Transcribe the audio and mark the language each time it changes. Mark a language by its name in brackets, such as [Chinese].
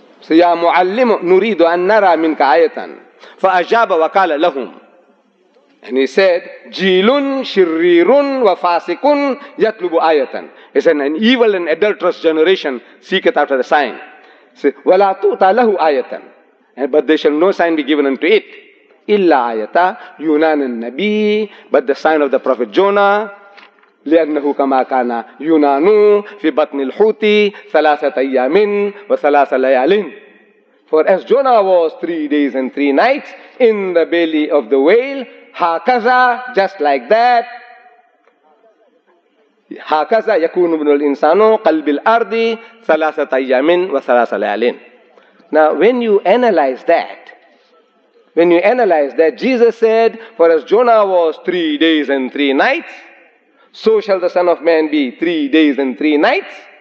[Arabic] يا معلم نريد أن نرى منك آية. فأجاب وقال لهم, [English] and he said, [Arabic] جيل شرير وفاسق يطلب آية. [English] He said, an evil and adulterous generation seeketh after the sign. [Arabic] ولا تؤتى له آية. [English] But there shall no sign be given unto it. [Arabic] إلا آية يونان النبي, [English] but the sign of the prophet Jonah. [Arabic] لأنه كما كان يونان في بطن الحوت ثلاثة أيام وثلاثة ليال. [English] For as Jonah was 3 days and 3 nights in the belly of the whale, هكذا, just like that, [Arabic] هكذا يكون ابن الإنسان قلب الأرض ثلاثة أيام وثلاثة ليال. [English] Now when you analyze that, when you analyze that, Jesus said, for as Jonah was 3 days and 3 nights, so shall the Son of Man be 3 days and 3 nights.